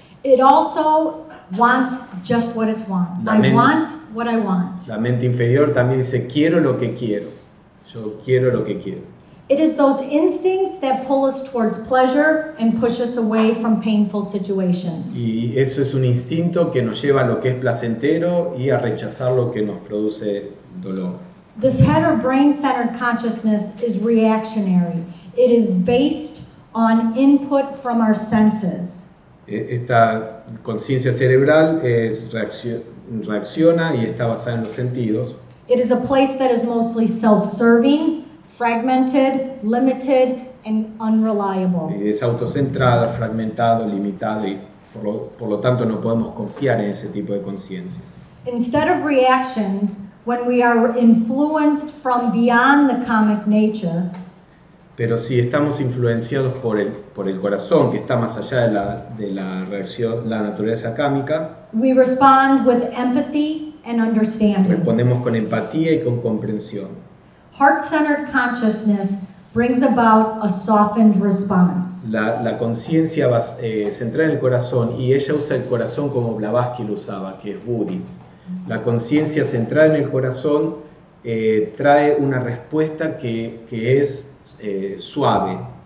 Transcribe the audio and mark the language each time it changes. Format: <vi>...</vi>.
<en>It also wants just what it wants. I want what I want.</en> <es>La mente inferior también dice quiero lo que quiero. Yo quiero lo que quiero.</es> <en>It is those instincts that pull us towards pleasure and push us away from painful situations.</en> <es>Y eso es un instinto que nos lleva a lo que es placentero y a rechazar lo que nos produce dolor.</es> <en>This head or brain-centered consciousness is reactionary. It is based on input from our senses.</en> <es>Esta conciencia cerebral es reacciona y está basada en los sentidos.</es> <en>It is a place that is mostly self-serving, fragmented, limited, and unreliable.</en> <es>Es autocentrada, fragmentada, limitada, y por lo tanto no podemos confiar en ese tipo de conciencia.</es> <en>Instead of reactions, when we are influenced from beyond the karmic nature,</en> <es>pero si estamos influenciados por el corazón, que está más allá de la reacción, la naturaleza kármica,</es> <en>we respond with empathy and understanding.</en> <es>Respondemos con empatía y con comprensión.</es> <en>Heart-centered consciousness brings about a softened response.</en> <es>La conciencia centrada en el corazón, y ella usa el corazón como Blavatsky lo usaba, que es Budi. La conciencia centrada en el corazón trae una respuesta que es suave.</es>